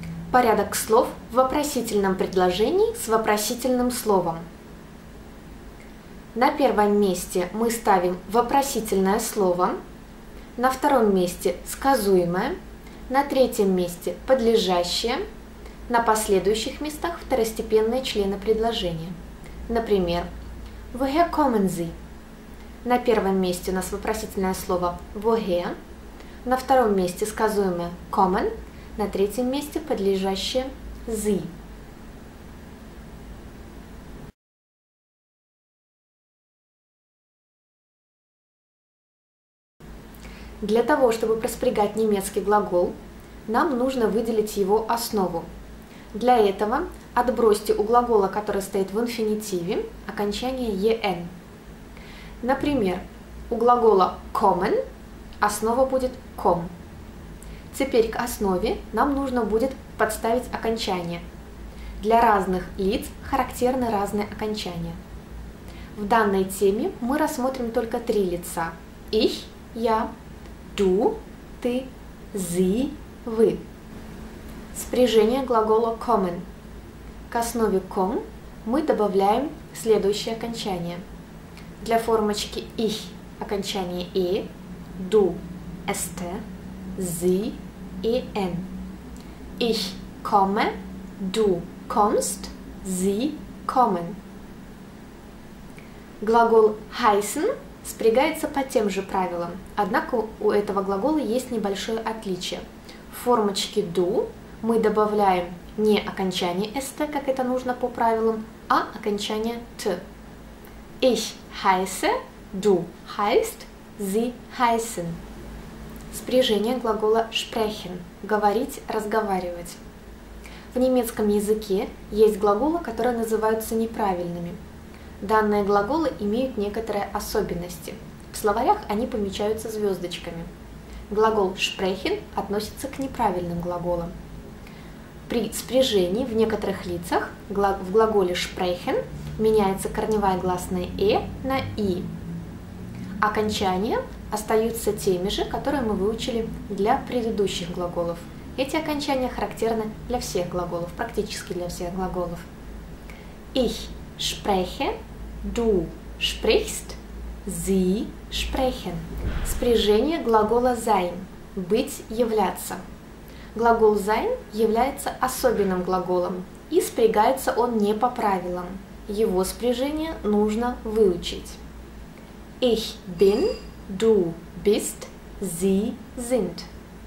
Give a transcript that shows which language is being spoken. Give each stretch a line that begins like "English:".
Russian: Порядок слов в вопросительном предложении с вопросительным словом. На первом месте мы ставим вопросительное слово, на втором месте сказуемое, на третьем месте подлежащее, на последующих местах второстепенные члены предложения. Например,
German: woher kommen Sie?
Russian: На первом месте у нас вопросительное слово woher, на втором месте сказуемое kommen, на третьем месте подлежащее «зи». Для того, чтобы проспрягать немецкий глагол, нам нужно выделить его основу. Для этого отбросьте у глагола, который стоит в инфинитиве, окончание «ен». Например, у глагола «kommen» основа будет «ком». Теперь к основе нам нужно будет подставить окончание. Для разных лиц характерны разные окончания. В данной теме мы рассмотрим только три лица.
German: Ich –
Russian: я,
German: du –
Russian: ты,
German: sie –
Russian: вы. Спряжение глагола kommen. К основе komm мы добавляем следующее окончание. Для формочки ich – окончание e, du – st, sie – и n.
German: Ich komme, du kommst, sie kommen.
Russian: Глагол heißen спрягается по тем же правилам, однако у этого глагола есть небольшое отличие. В формочке du мы добавляем не окончание st, как это нужно по правилам, а окончание t.
German: Ich heiße, du heißt, sie heißen.
Russian: Спряжение глагола sprechen – говорить, разговаривать. В немецком языке есть глаголы, которые называются неправильными. Данные глаголы имеют некоторые особенности. В словарях они помечаются звездочками. Глагол sprechen относится к неправильным глаголам. При спряжении в некоторых лицах в глаголе sprechen меняется корневая гласная «e» на «i». Окончание – остаются теми же, которые мы выучили для предыдущих глаголов. Эти окончания характерны для всех глаголов, практически для всех глаголов.
German: Ich spreche, du sprichst, sie sprechen.
Russian: Спряжение глагола sein – быть, являться. Глагол sein является особенным глаголом, и спрягается он не по правилам. Его спряжение нужно выучить.
German: Ich bin, du bist, sie sind.